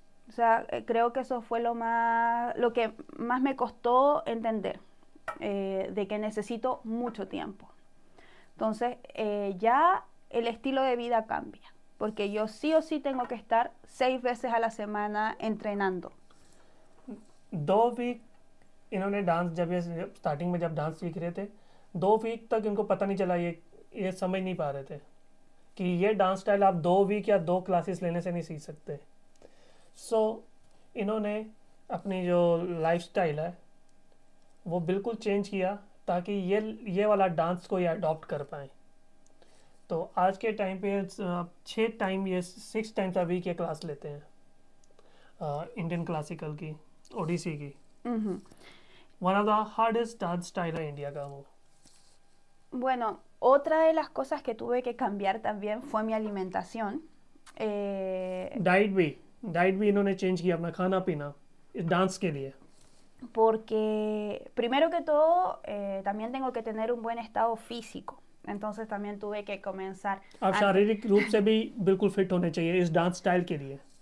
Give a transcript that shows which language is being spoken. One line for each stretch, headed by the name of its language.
Spanish: O sea, creo que eso fue lo que más me costó entender, de que necesito mucho tiempo. Entonces, ya el estilo de vida cambia, porque yo sí o sí tengo que estar 6 veces a la semana entrenando.
Hindi: दो week इन्होंने dance जब ये starting में जब dance सीख रहे थे 2 week तक इनको पता नहीं चला, ये समझ नहीं पा रहे थे कि ये डांस स्टाइल आप 2 वीक या 2 क्लासेस लेने से नहीं सीख सकते। सो इन्होंने अपनी जो लाइफ स्टाइल है वो बिल्कुल चेंज किया ताकि ये वाला डांस को ये अडॉप्ट कर पाए। तो आज के टाइम पे 6 टाइम ये 6 टाइम्स अ वीक ये क्लास लेते हैं इंडियन क्लासिकल की ओडिसी की,
English: one of the hardest
Hindi: dance style है इंडिया का वो।
Spanish: Bueno, otra de las cosas que tuve que cambiar también fue mi alimentación.
Hindi: Diet भी इन्होंने चेंज किया अपना खाना पीना इस डांस के लिए।
Spanish: Porque primero que todo, también tengo que tener un buen estado físico. Entonces también tuve que comenzar
Hindi: आप
Spanish: antes.
Hindi: शारीरिक रूप से भी बिल्कुल फिट होने चाहिए इस डांस स्टाइल के लिए।